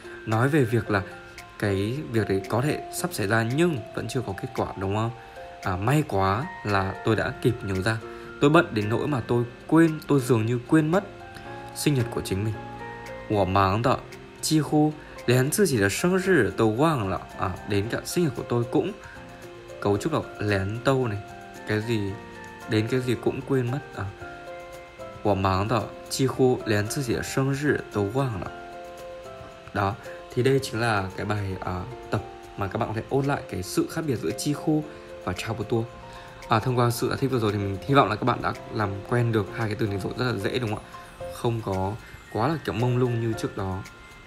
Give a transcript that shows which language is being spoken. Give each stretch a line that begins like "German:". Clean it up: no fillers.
Vietnamese: Nói về việc là cái việc đấy có thể sắp xảy ra nhưng vẫn chưa có kết quả, đúng không? May quá là tôi đã kịp nhớ ra. Tôi bận đến nỗi mà tôi dường như quên mất sinh nhật của chính mình.
Chinese: 我忙的几乎连自己的生日都忘了.
Vietnamese: Đến cả sinh nhật của tôi cũng, cấu trúc là lén tâu này, cái gì đến cái gì cũng quên mất.
Chinese: 我忙的几乎连自己的生日都忘了.
Vietnamese: Đó thì đây chính là cái bài tập mà các bạn có thể ôn lại cái sự khác biệt giữa 几乎và 差不多. Thông qua sự giải thích vừa rồi thì mình hy vọng là các bạn đã làm quen được hai cái từ này rồi, rất là dễ, đúng không ạ? Không có quá là kiểu mông lung như trước đó.